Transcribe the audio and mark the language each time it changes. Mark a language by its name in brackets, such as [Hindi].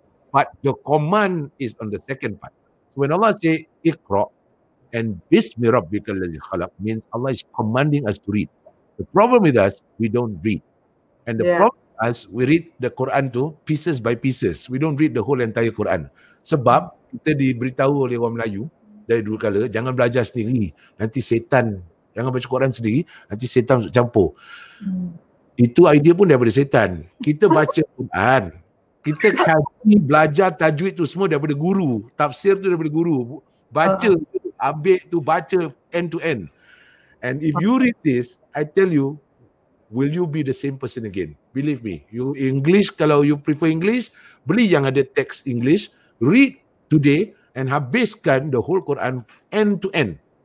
[English] But the command is on the second part. When Allah say ikra, and [Arabic] bismi rabbikal ladzi khalaq, [English] means Allah is commanding us to read. The problem with us, we don't read. And the problem with us, we read the Quran tu pieces by pieces. We don't read the whole entire Quran. [Malay] Sebab kita diberitahu oleh orang Melayu dari dulu kala, jangan belajar sendiri. Nanti setan. Jangan baca Quran sendiri, nanti setan masuk campur. Itu idea pun daripada setan. Kita baca Quran, kita kaji, belajar tajwid tu semua daripada guru. Tafsir tu daripada guru. Baca, ambil tu, baca [English] end to end. And if you read this, I tell you, will you be the same person again? Believe me. You English, [Malay] kalau [English] you prefer English, [Malay] beli yang ada [English] text English, read today and [Malay] habiskan [English] the whole Quran end to end.